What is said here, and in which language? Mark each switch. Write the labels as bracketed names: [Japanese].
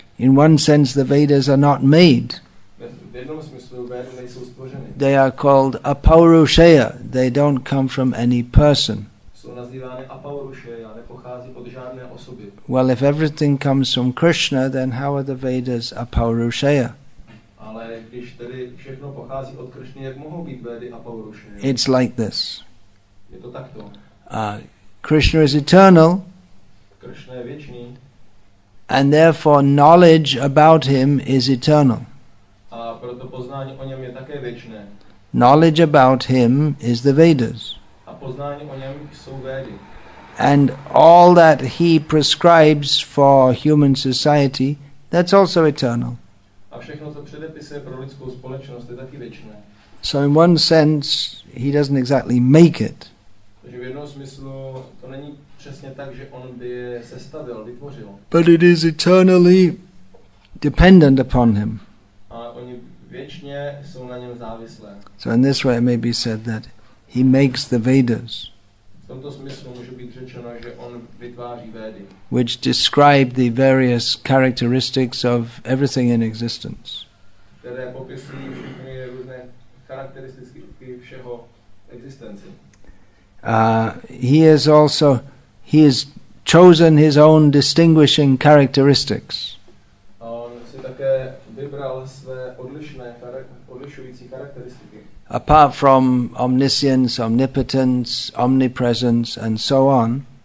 [English] In one sense, the Vedas are not made. [Czech] V jednom smyslu, Vedy nejsou stvořeny. [English] They are called Apaurusheya. They don't come from any person. [Czech] Jsou nazývány Apaurusheya, nepochází od žádné osoby. [English] Well, if everything comes from Krishna, then how are the Vedas Apaurusheya? [Czech] Když tedy všechno pochází od Krishny, jak mohou být Vedy a Paurusheya? [English] It's like this. [Czech] Je to takto. [English] Krishna is eternal. [Czech] Krishna je věčný. [English] And therefore knowledge about him is eternal. [Czech] A proto poznání o něm je také věčné. [English] Knowledge about him is the Vedas. [Czech] A poznání o něm jsou Vedy. [English] And all that he prescribes for human society, that's also eternal. [Czech] A všechno, co předepisuje pro lidskou společnost, je taky věčné. [English] So in one sense, he doesn't exactly make it. [Czech] Takže v jednom smyslu to není přesně tak, že on by je sestavil, vytvořil. [English] But it is eternally dependent upon him. [Czech] A oni věčně jsou na něm závislé. [English] So in this way it may be said that he makes the Vedas. [Czech] V tomto smyslu může být řečeno, že on vytváří Vedy. [English] Which describe the various characteristics of everything in existence. [Czech] Které popisují všechny různé charakteristiky všeho existence. [English] He has chosen his own distinguishing characteristics. [Czech] On si také vybral své odlišující charakteristiky. [English] Apart from omniscience, omnipotence, omnipresence, and so on.